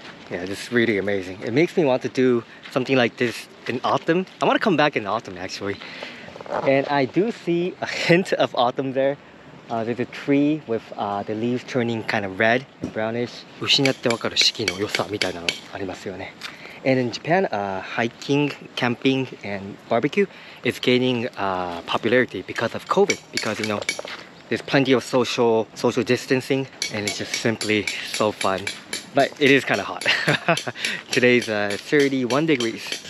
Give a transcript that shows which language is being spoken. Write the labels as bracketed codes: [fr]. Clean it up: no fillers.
[en] Yeah, this is really amazing. It makes me want to do something like this in autumn. I want to come back in autumn, actually. And I do see a hint of autumn there. There's a tree with the leaves turning kind of red and brownish. [ja] 失ってわかる四季の良さみたいなのありますよね。 [en] And in Japan, hiking, camping, and barbecue is gaining popularity because of COVID. Because, you know, there's plenty of social distancing, and it's just simply so fun. But it is kind of hot. Today's 31 degrees.